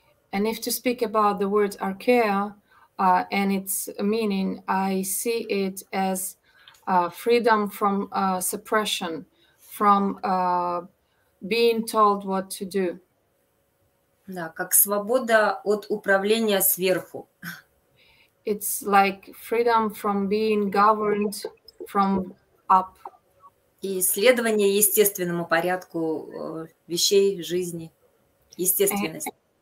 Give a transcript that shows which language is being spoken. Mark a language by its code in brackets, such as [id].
[en] And if to speak about the word archaea, and its meaning, I see it as freedom from suppression, from being told what to do. [ru] Да, как свобода от управления сверху. [en] It's like freedom from being governed from up. [ru] И следование естественному порядку вещей, жизни, естественности.